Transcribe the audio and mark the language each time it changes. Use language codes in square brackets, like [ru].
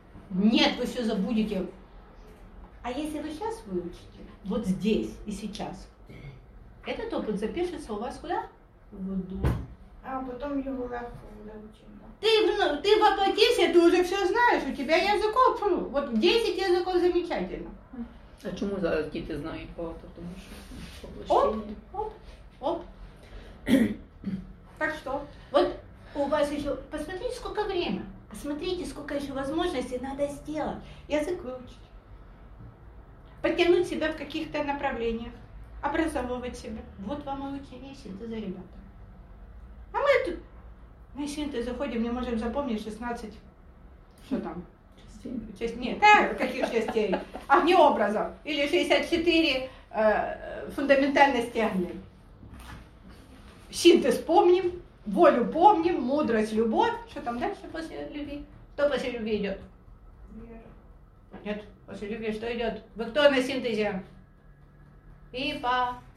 [ru] Нет, вы все забудете. А если вы сейчас выучите, вот здесь и сейчас, этот опыт запишется у вас куда? В душу. А потом его легко выучим. Ты воплотился, ты уже все знаешь, у тебя языков, ну, вот 10 языков замечательно. [uk] А чому зараз діти знають багато, тому що оп. Так що? От у вас ще, [ru] посмотрите, [uk] скільки часу. [ru] Посмотрите, [uk] скільки ще можливостей треба зробити. Язик вивчити. Підтягнути себе в якихось направленнях. Образовувати себе. [ru] От вам і учені синтези, ребята. А ми тут на синтези заходимо, не можемо запомнити 16, що там. Часть, нет, каких частей? Огнеобразов. Или 64 фундаментальности огня. Синтез помним, волю помним, мудрость, любовь. Что там дальше после любви? Кто после любви идет? Вера. Нет, после любви что идет? Вы кто на синтезе? Ипа.